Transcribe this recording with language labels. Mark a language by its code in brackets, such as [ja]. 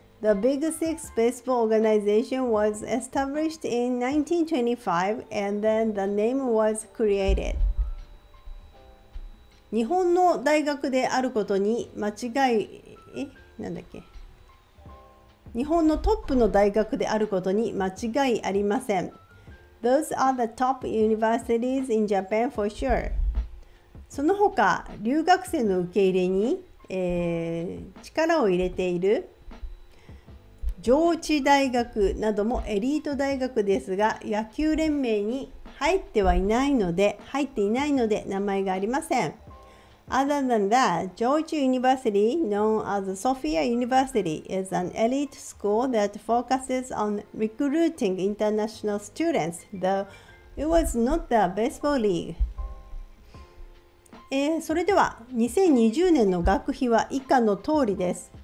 [en] The Big Six baseball organization was established in 1925 and then the name was created. [ja] 日本の大学であることに間違い、なんだっけ。日本のトップの大学であることに間違いありません。 [en] Those are the top universities in Japan for sure. [ja] その他、留学生の受け入れに、力を入れている上智大学などもエリート大学ですが、野球連盟に入っていないので名前がありません。 [en] Other than that, George University, known as Sophia University, is an elite school that focuses on recruiting international students, though it was not the baseball league. [ja] それでは、2020年の学費は以下の通りです。